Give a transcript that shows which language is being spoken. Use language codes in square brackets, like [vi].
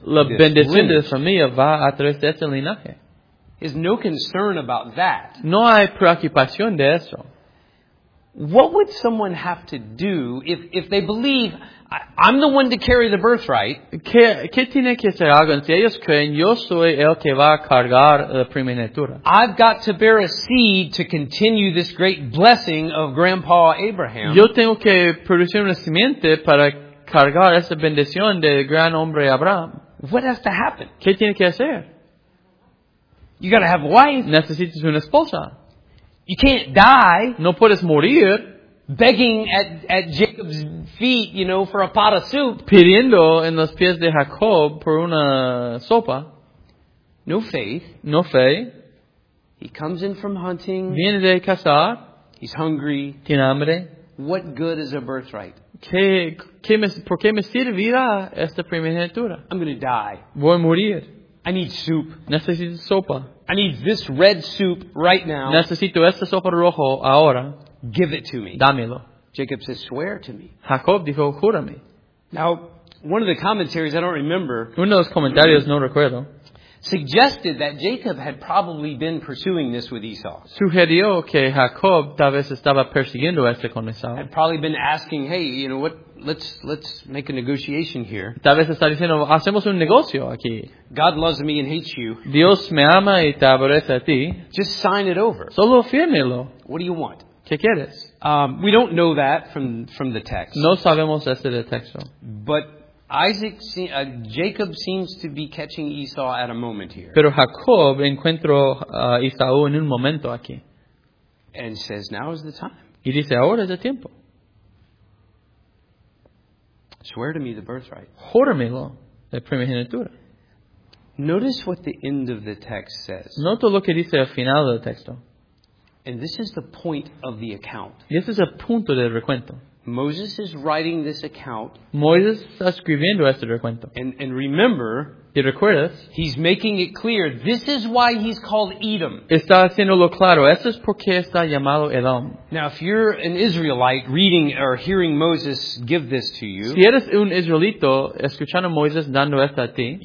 [es] La bendición de la familia va a través de este linaje. [en] Is no concern about that. [es] No hay preocupación de eso. [en] What would someone have to do if they believe I'm the one to carry the birthright? [es] ¿Qué tiene que hacer algo? Si ellos creen, yo soy el que va a cargar la primogenitura. [en] I've got to bear a seed to continue this great blessing of Grandpa Abraham. [es] Yo tengo que producir una simiente para cargar esa bendición del gran hombre Abraham. [en] What has to happen? [es] ¿Qué tiene que hacer? [en] You got to have a wife. [es] Necesitas una esposa. [en] You can't die. [es] No puedes morir. [en] Begging at Jacob's feet, you know, for a pot of soup. [es] Pidiendo en los pies de Jacob por una sopa. [en] No faith. [es] No fe. [en] He comes in from hunting. [es] Viene de cazar. [en] He's hungry. [es] Tiene hambre. [en] What good is a birthright? [es] ¿Por qué me servirá esta primogenitura? [en] I'm going to die. [es] Voy a morir. [en] I need soup. [es] Necesito sopa. [en] I need this red soup right now. [es] Necesito esta sopa rojo ahora. [en] Give it to me. [es] Dámelo. [en] Jacob says, swear to me. [es] Jacob dijo, júrame. [en] Now, one of the commentaries, I don't remember. [es] Uno de los comentarios, no recuerdo. [en] suggested that Jacob had probably been pursuing this with Esau. [es] Sugirió que Jacob tal vez estaba persiguiendo esto con Esau. [en] Had probably been asking, hey, you know what, let's make a negotiation here. [es] Tal vez está diciendo, hacemos un negocio aquí. [en] God loves me and hates you. [es] Dios me ama y te aborrece a ti. [en] Just sign it over. [es] Solo fírmelo. [en] What do you want? [es] ¿Qué quieres? [en] We don't know that from the text. [es] No sabemos esto del texto. [en] But Jacob seems to be catching Esau at a moment here. [es] Pero Jacob encuentra a Esau en un momento aquí. [en] And says, now is the time. [es] Y dice, ahora es el tiempo. [en] Swear to me the birthright. [es] Júramelo, la primogenitura. [en] Notice what the end of the text says. [es] Noto lo que dice al final del texto. [en] And this is the point of the account. [es] Y este es el punto del recuento. [en] Moses is writing this account. [es] Moisés está escribiendo este recuento. [en] And remember, [es] y recuerdas, [en] he's making it clear. This is why he's called Edom. [es] Está haciéndolo claro. Esto es por qué está llamado Edom. [en] Now, if you're an Israelite reading or hearing Moses give this to you, [es] si eres un israelito escuchando Moisés dando esto a ti,